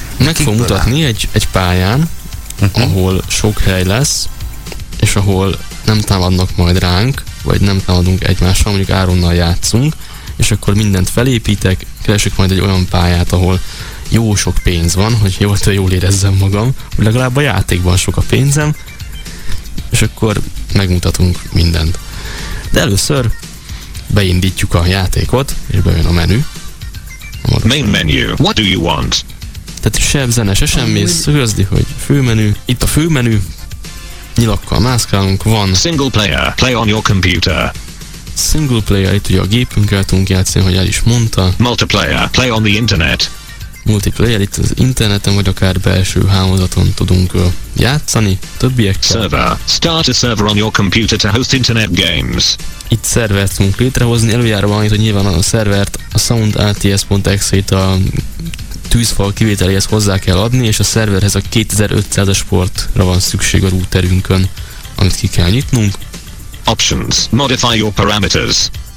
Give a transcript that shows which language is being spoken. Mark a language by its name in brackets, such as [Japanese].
[Hungarian] Meg fog mutatni egy pályán, ahol sok hely lesz, és ahol nem támadnak majd ránk, vagy nem támadunk egymással, mondjuk Áronnal játszunk, és akkor mindent felépítek, keresek majd egy olyan pályát, ahol jó sok pénz van, hogy jól érezzem magam, hogy legalább a játékban sok a pénzem, és akkor megmutatunk mindent. De először beindítjuk a játékot, és bejön a menü. [English] Main menu, what do you want? [Hungarian] Tehát sem zene, se semmi, szögezdi, hogy főmenü, itt a főmenü, nyilakkal mászkálunk, van [English] single player, play on your computer. [Hungarian] Single player, itt ugye a gépünkkel tudunk játszani, hogy el is mondta. [English] Multiplayer, play on the internet. [Hungarian] Multiplayer, itt az interneten vagy akár belső hálózaton tudunk játszani, többiekkel. [English] Server, start a server on your computer to host internet games. [Hungarian] Itt szervert tudunk létrehozni, előjáróban itt, hogy nyilván a szervert a soundrts.exe-t a tűzfal kivételéhez hozzá kell adni, és a szerverhez a 2500-as portra van szükség a routerünkön, amit ki kell nyitnunk. [English] Options. Modify your parameters.